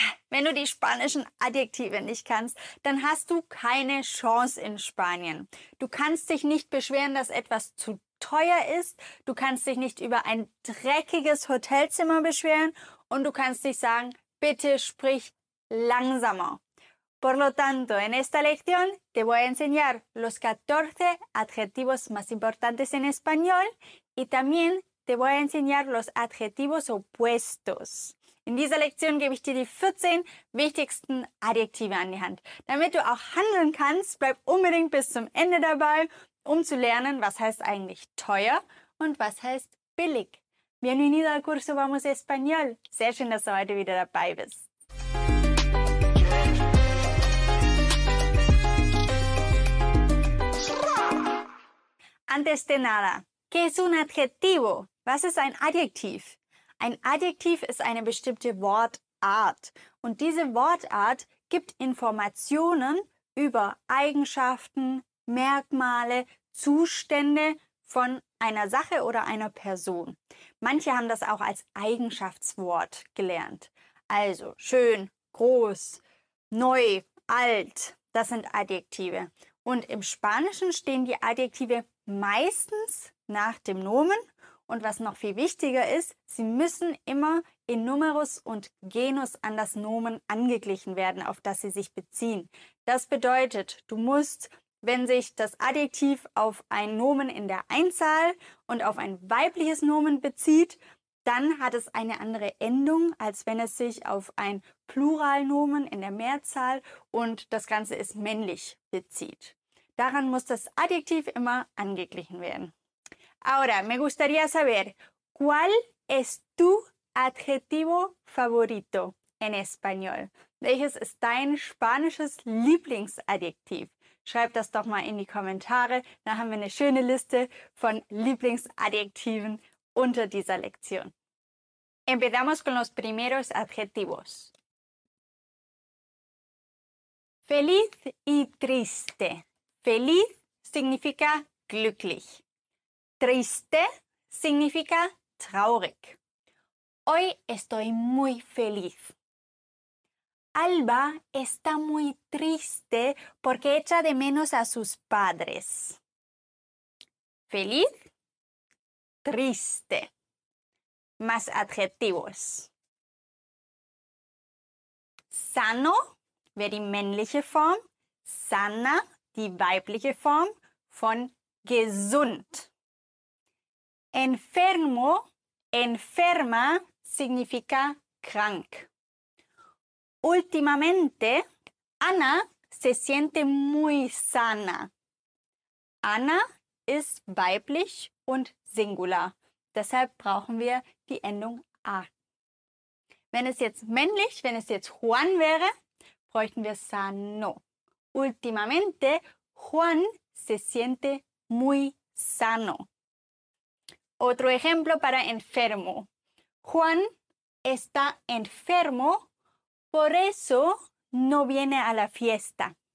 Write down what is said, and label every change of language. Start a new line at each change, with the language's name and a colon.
German: Wenn du die spanischen Adjektive nicht kannst, dann hast du keine Chance in Spanien. Du kannst dich nicht beschweren, dass etwas zu teuer ist. Du kannst dich nicht über ein dreckiges Hotelzimmer beschweren. Und du kannst dich sagen, bitte sprich langsamer.
Spanish: Por lo tanto, en esta lección te voy a enseñar los 14 adjetivos más importantes en español y también te voy a enseñar los adjetivos opuestos.
German: In dieser Lektion gebe ich dir die 14 wichtigsten Adjektive an die Hand. Damit du auch handeln kannst, bleib unbedingt bis zum Ende dabei, um zu lernen, was heißt eigentlich teuer und was heißt billig.
Spanish: Bienvenido al curso Vamos Español.
German: Sehr schön, dass du heute wieder dabei bist.
Spanish: Antes de nada, ¿qué es un adjetivo?
German: Was ist ein Adjektiv? Ein Adjektiv ist eine bestimmte Wortart. Und diese Wortart gibt Informationen über Eigenschaften, Merkmale, Zustände von einer Sache oder einer Person. Manche haben das auch als Eigenschaftswort gelernt. Also schön, groß, neu, alt, das sind Adjektive. Und im Spanischen stehen die Adjektive meistens nach dem Nomen. Und was noch viel wichtiger ist, sie müssen immer in Numerus und Genus an das Nomen angeglichen werden, auf das sie sich beziehen. Das bedeutet, du musst, wenn sich das Adjektiv auf ein Nomen in der Einzahl und auf ein weibliches Nomen bezieht, dann hat es eine andere Endung, als wenn es sich auf ein Pluralnomen in der Mehrzahl und das Ganze ist männlich bezieht. Daran muss das Adjektiv immer angeglichen werden.
Spanish: Ahora, me gustaría saber, ¿cuál es tu adjetivo favorito en español?
German: Welches ist dein spanisches Lieblingsadjektiv? Schreib das doch mal in die Kommentare, da haben wir eine schöne Liste von Lieblingsadjektiven unter dieser Lektion.
Spanish: Empezamos con los primeros adjetivos. Feliz y triste. Feliz significa glücklich. Triste significa traurig. Hoy estoy muy feliz. Alba está muy triste porque echa de menos a sus padres. Feliz, triste. Más adjetivos.
German: Sano, wäre die männliche Form. Sana, die weibliche Form von gesund.
Spanish: Enfermo, enferma, significa krank. Últimamente, Ana se siente muy sana.
German: Ana ist weiblich und singular. Deshalb brauchen wir die Endung A. Wenn es jetzt männlich, wenn es jetzt Juan wäre, bräuchten wir sano.
Spanish: Últimamente, Juan se siente muy sano. Otro ejemplo para enfermo. Juan está enfermo, por eso no viene a la fiesta.